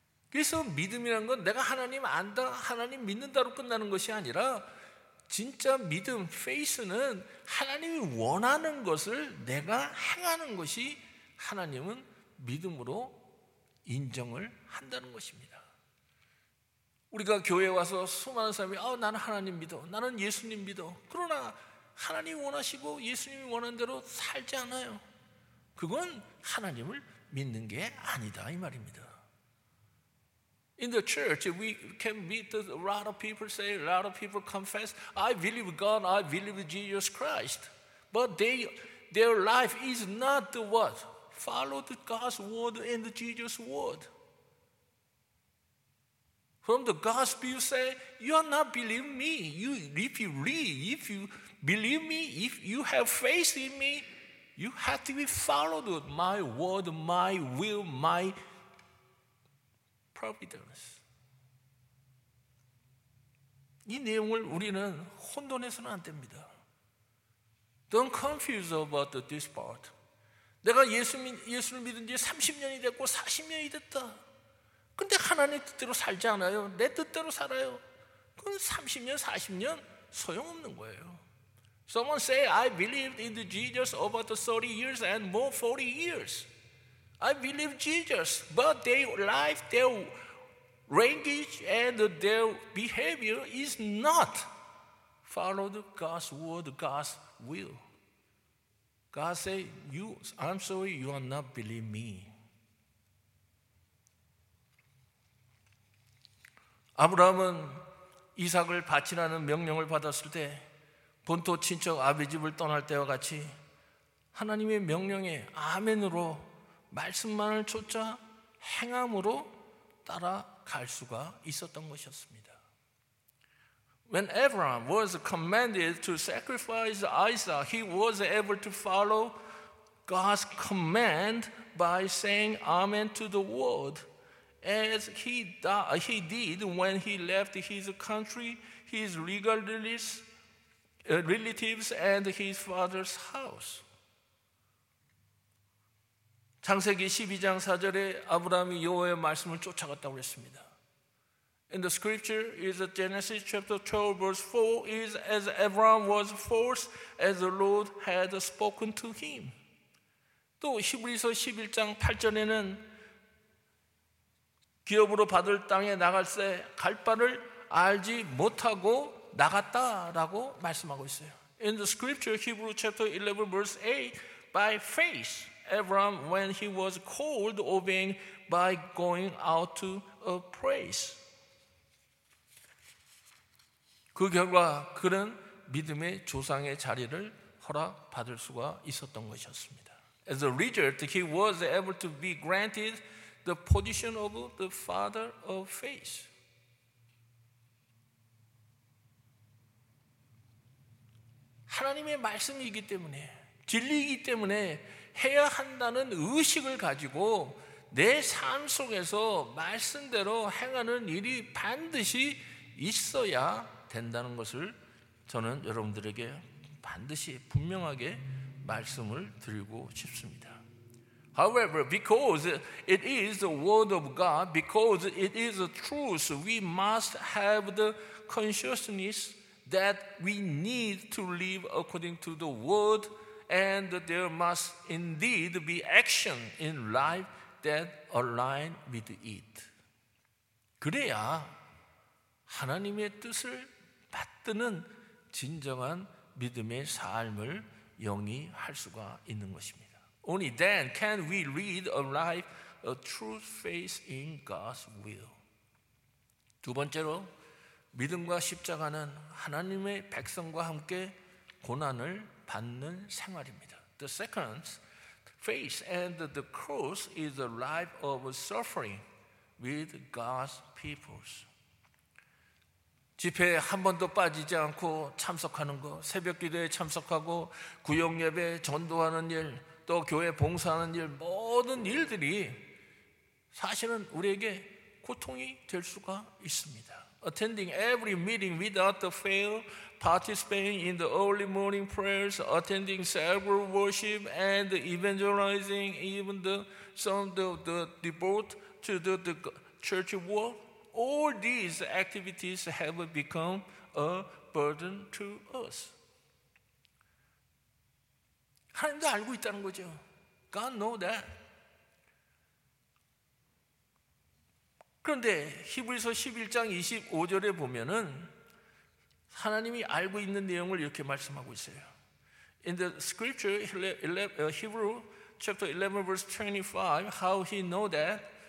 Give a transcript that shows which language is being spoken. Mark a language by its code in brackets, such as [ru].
[ko] 그래서 믿음이란 건 내가 하나님 안다, 하나님 믿는다로 끝나는 것이 아니라 진짜 믿음, faith는 하나님이 원하는 것을 내가 행하는 것이 하나님은 믿음으로 인정을 한다는 것입니다. 우리가 교회에 와서 수많은 사람이 나는 하나님 믿어, 나는 예수님 믿어. 그러나 하나님이 원하시고 예수님이 원하는 대로 살지 않아요. 그건 하나님을 믿는 게 아니다 이 말입니다. [en] In the church, we can meet a lot of people, say a lot of people confess, I believe God, I believe Jesus Christ. But their life is not the what? Follow the God's word and Jesus' word. From the gospel, you say, you are not believing me. If you believe me, if you have faith in me, you have to be followed with my word, my will, my providence. [ko] 이 내용을 우리는 혼돈해서는 안 됩니다. [en] Don't confuse about this part. [ko] 내가 예수를 믿은 지 30년이 됐고 40년이 됐다. 근데 하나님 뜻대로 살지 않아요. 내 뜻대로 살아요. 그건 30년, 40년 소용없는 거예요. [en] Someone say, I believed in Jesus about 30 years and more 40 years. I believe Jesus, but their life, their language, and their behavior is not followed God's word, God's will. God say, I'm sorry, you are not believe me. [ko] 아브라함은 이삭을 바치라는 명령을 받았을 때 본토 친척 아비 집을 떠날 때와 같이 하나님의 명령에 아멘으로 말씀만을 쫓아 행함으로 따라갈 수가 있었던 것이었습니다. [en] When Abraham was commanded to sacrifice Isaac, he was able to follow God's command by saying amen to the word. As he did when he left his country, his legal relatives and his father's house. [ko] 창세기 12장 4절에 아브라함이 여호와의 말씀을 쫓아갔다고 했습니다. [en] In the scripture is Genesis chapter 12 verse 4 is as Abraham was forced as the Lord had spoken to him. [ko] 또 히브리서 11장 8절에는 기업으로 받을 땅에 나갈 새 갈 바를 알지 못하고 나갔다라고 말씀하고 있어요. [en] In the scripture Hebrews chapter 11 verse 8 by faith Abraham when he was called obeying by going out to a place. [ko] 그 결과 그는 믿음의 조상의 자리를 허락받을 수가 있었던 것이었습니다. [en] As a result he was able to be granted the position of the father of faith. [ko] 하나님의 말씀이기 때문에 진리이기 때문에 해야 한다는 의식을 가지고 내 삶 속에서 말씀대로 행하는 일이 반드시 있어야 된다는 것을 저는 여러분들에게 반드시 분명하게 말씀을 드리고 싶습니다. [en] However, because it is the word of God, because it is the truth, we must have the consciousness that we need to live according to the word, and there must indeed be action in life that align with it. [ko] 그래야 하나님의 뜻을 받드는 진정한 믿음의 삶을 영위할 수가 있는 것입니다. [en] Only then can we lead a life of true faith in God's will. [ko] 두 번째로 믿음과 십자가는 하나님의 백성과 함께 고난을 받는 생활입니다. [en] The second, faith and the cross is a life of suffering with God's people. [ko] 집회에 한 번도 빠지지 않고 참석하는 것, 새벽 기도에 참석하고 구역 예배 전도하는 일, 또 교회 봉사하는 일 모든 일들이 사실은 우리에게 고통이 될 수가 있습니다. [en] Attending every meeting without the fail, participating in the early morning prayers, attending several worship and evangelizing, even the some of the devote to the church work, all these activities have become a burden to us. [ko] 하나님도 알고 있다는 거죠. [en] God knows that. [ko] 그런데 히브리서 11장 25절에 보면은 하나님이 알고 있는 내용을 이렇게 말씀하고 있어요. [en] In the scripture, Hebrews chapter 11 verse 25, how he know that?